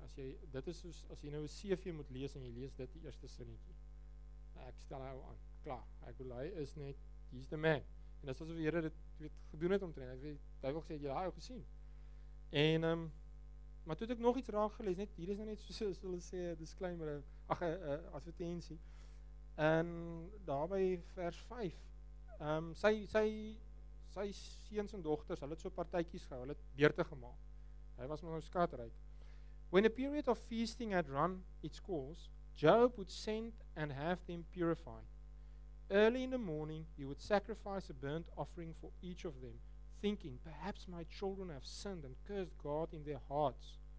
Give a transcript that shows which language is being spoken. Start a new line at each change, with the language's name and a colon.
Afrikaans: As jy nou een CV moet lees en jy lees dit die eerste sinnetjie. Ek stel jou aan. Klaar, ek bedoel, hy is net,
English: he's the man.
Afrikaans: En dit is asof die Here dit weet, gedoen het omtrent. Hy wil gesê, jy daar jou gesien. En, maar toe het ek nog iets raak gelees, net, hier is nou net soos hulle sê, disclaimer, advertentie. En daarby vers 5, sy seuns en dogters, hulle het so partytjies gehou, hulle het beurte gemaak. Hy was maar nou skatryk.
English: When a period of feasting had run its course, Job would send and have them purified. Early in the morning, he would sacrifice a burnt offering for each of them, thinking, perhaps my children have sinned and cursed God in their hearts.